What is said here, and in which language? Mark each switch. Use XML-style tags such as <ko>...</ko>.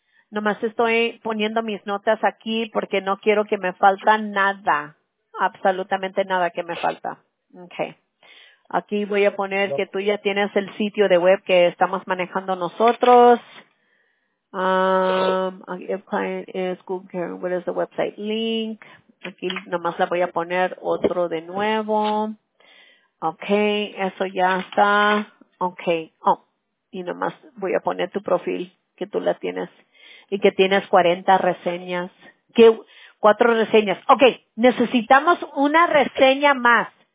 <es>Nomás estoy poniendo mis notas aquí porque no quiero que me falta nada. Absolutamente nada que me falta. Ok. Aquí voy a poner que tú ya tienes el sitio de web que estamos manejando nosotros.</es> <en>If client is Google Care, what is the website link?</en> <es>Aquí nomás la voy a poner otro de nuevo. Okay, eso ya está. Okay. Oh, y nomás voy a poner tu profil que tú la tienes y que tienes 40 reseñas. ¿Qué? 4 reseñas. Okay, necesitamos una reseña más.</es>